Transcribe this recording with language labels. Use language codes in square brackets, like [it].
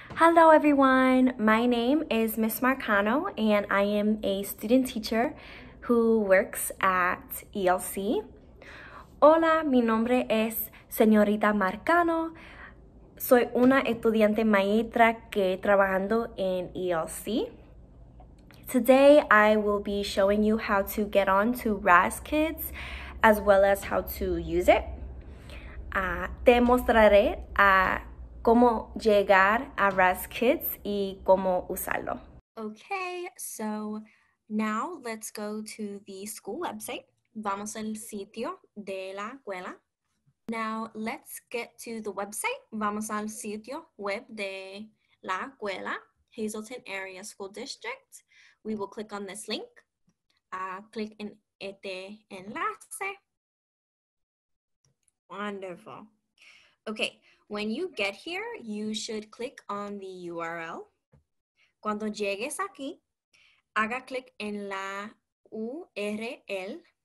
[en] Hello everyone, my name is Miss Marcano and I am a student teacher who works at ELC. [es] Hola, mi nombre es Señorita Marcano. Soy una estudiante maestra que trabajando en ELC. [en] Today I will be showing you how to get on to Raz Kids as well as how to use it. [es] Te mostraré a cómo llegar a Raz Kids y cómo usarlo. [en] Okay, so now let's go to the school website. [es] Vamos al sitio de la escuela. [en] Now let's get to the website. [es] Vamos al sitio web de la escuela, Hazleton Area School District. [en] We will click on this link. [es] Click en este enlace. [en] Wonderful. Okay, when you get here, you should click on the URL. [es] Cuando llegues aquí, haga click en la URL.